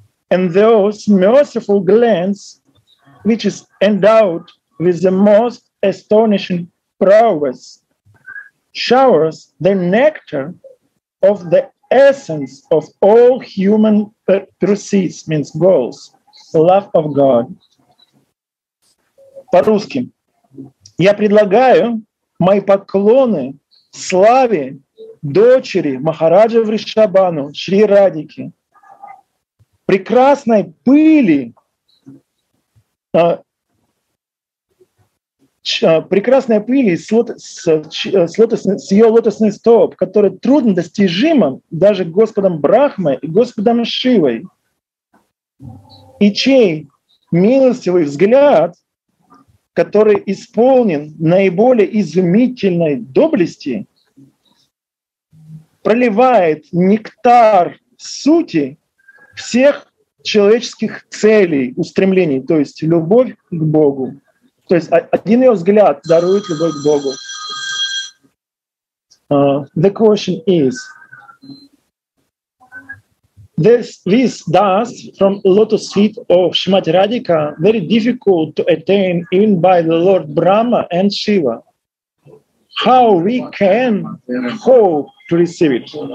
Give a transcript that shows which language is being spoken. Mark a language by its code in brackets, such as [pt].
[en] And those merciful glance, which is endowed with the most astonishing prowess, showers the nectar of the essence of all human pursuits, means goals, the love of God. [ru] По-русски. Я предлагаю мои поклоны славе дочери Махараджа Вришабану, Шри Радхики, прекрасной пыли, прекрасной пыли с ее лотосный стоп, который трудно достижимо даже Господом Брахмой и Господом Шивой, и чей милостивый взгляд, который исполнен наиболее изумительной доблести, проливает нектар сути всех человеческих целей, устремлений, то есть любовь к Богу. То есть один ее взгляд дарует любовь к Богу. [en] The question is, This dust from lotus feet of Shrimati Radhika very difficult to attain even by the Lord Brahma and Shiva. How we can hope to receive it?